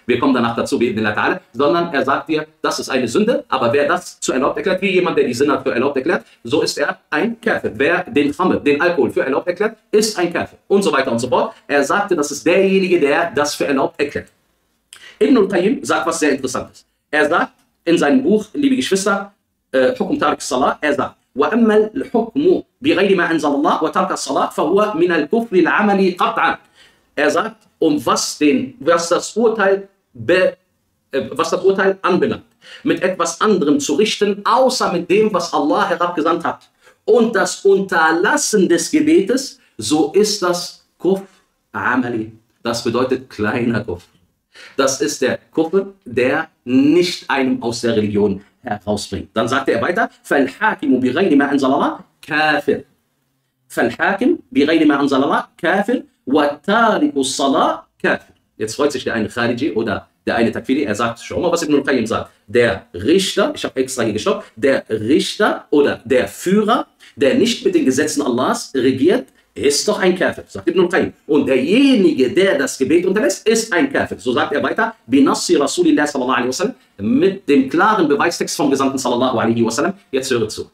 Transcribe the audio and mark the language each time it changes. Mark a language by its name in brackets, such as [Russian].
[German] Wir kommen danach dazu, wie in der Tat, sondern er sagt dir, das ist eine Sünde, aber wer das zu erlaubt erklärt, wie jemand, der die Sinne für erlaubt erklärt, so ist er ein Käfer. Wer den Khamr, den Alkohol für erlaubt erklärt, ist ein Käfer. Und so weiter und so fort. Er sagte, das ist derjenige, der das für erlaubt erklärt. Ibn al-Qayyim sagt was sehr Interessantes. Er sagt in seinem Buch, liebe Geschwister, Hukum Tarik Salah, er sagt, [Arabic] وأما الحكم بغير ما أنزل الله وترك الصلاة فهو من الكفر العملي قطعا. [German] Er sagt, um was den, was das Urteil was das Urteil anbelangt, mit etwas anderem zu richten, außer mit dem, was Allah herabgesandt hat. Und das Unterlassen des Gebetes, so ist das Kufr Amali. Das bedeutet kleiner Kufr. Das ist der Kufr, der nicht einem aus der Religion herausbringt. Dann sagte er weiter, [Arabic] فَالْحَاكِمُ بِغَيْرِ مَا أَنْزَلَ اللَّهِ كَافِرٌ فَالْحَاكِمُ بِغَيْرِ مَا أَنْزَلَ اللَّهِ كَافِرٌ وَالتَّارِكُ الصَّلَاةِ كَافِرٌ. [German] Jetzt freut sich der eine Khariji oder der eine Takfiri, er sagt, schau mal, was Ibn al-Qayyim sagt. Der Richter, ich habe extra hier gestoppt, der Richter oder der Führer, der nicht mit den Gesetzen Allahs regiert, ist doch ein Kafir, sagt Ibn al-Qayyim. Und derjenige, der das Gebet unterlässt, ist ein Kafir. So sagt er weiter, [Arabic] binassi Rasulillah [German] sallallahu alaihi wasallam, mit dem klaren Beweistext vom Gesandten sallallahu alaihi wasallam. Jetzt höre zu.